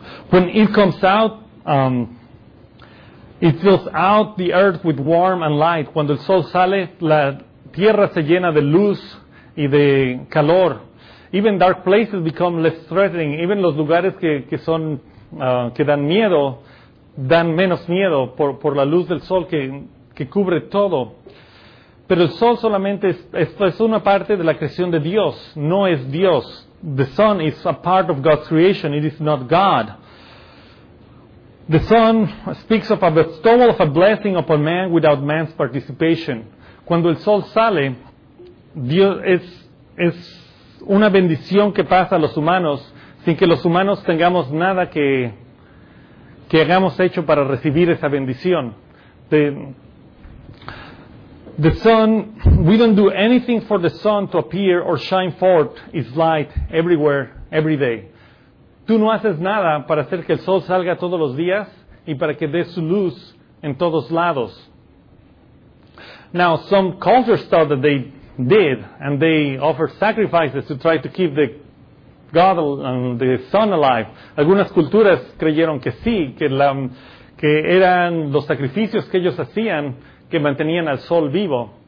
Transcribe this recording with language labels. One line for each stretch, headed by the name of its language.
English: When it comes out, it fills out the earth with warmth and light.
Spanish: Cuando el sol sale, la tierra se llena de luz y de calor.
English: Even dark places become less threatening. Even
Spanish: los lugares que son... que dan miedo, dan menos miedo por la luz del sol que cubre todo. Pero el sol solamente es una parte de la creación de Dios, no es Dios.
English: The sun is a part of God's creation, it is not God. The sun speaks of a bestowal of a blessing upon man without man's participation.
Spanish: Cuando el sol sale, Dios es una bendición que pasa a los humanos sin que los humanos tengamos nada que hagamos hecho para recibir esa bendición.
English: The sun, we don't do anything for the sun to appear or shine forth its light everywhere, every day.
Spanish: Tú no haces nada para hacer que el sol salga todos los días y para que dé su luz en todos lados.
English: Now, some cultures thought that they did, and they offered sacrifices to try to keep the God and the sun alive.
Spanish: Algunas culturas creyeron que sí, que eran los sacrificios que ellos hacían que mantenían al sol vivo.